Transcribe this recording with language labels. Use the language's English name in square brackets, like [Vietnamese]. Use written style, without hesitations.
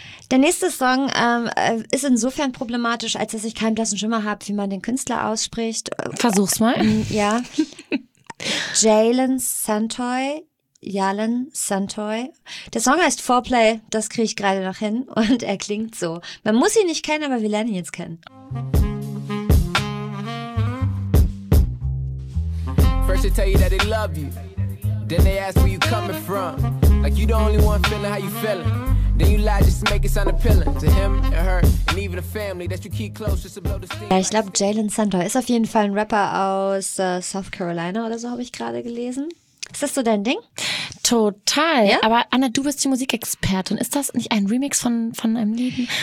[German] Der nächste Song ist insofern problematisch, als dass ich keinen blassen Schimmer habe, wie man den Künstler ausspricht. Versuch's mal. Ja. Jalen Santoy. Jalen Santoy. Der Song heißt Foreplay, das kriege ich gerade noch hin und er klingt so. Man muss ihn nicht kennen, aber wir lernen ihn jetzt kennen. [English] First they tell you that they love you. Then they ask where you coming from. Like you the only one feeling how you feeling. Then you lie just to make it sound appealing. To him and her and even a family that you keep close just to blow the steam. [German] Ja, ich glaube Jalen Santoy ist auf jeden Fall ein Rapper aus South Carolina oder so, habe ich gerade gelesen. Ist das so dein Ding? Total. Ja? Aber Anna, du bist die Musikexpertin. Ist das nicht ein Remix von einem Lied?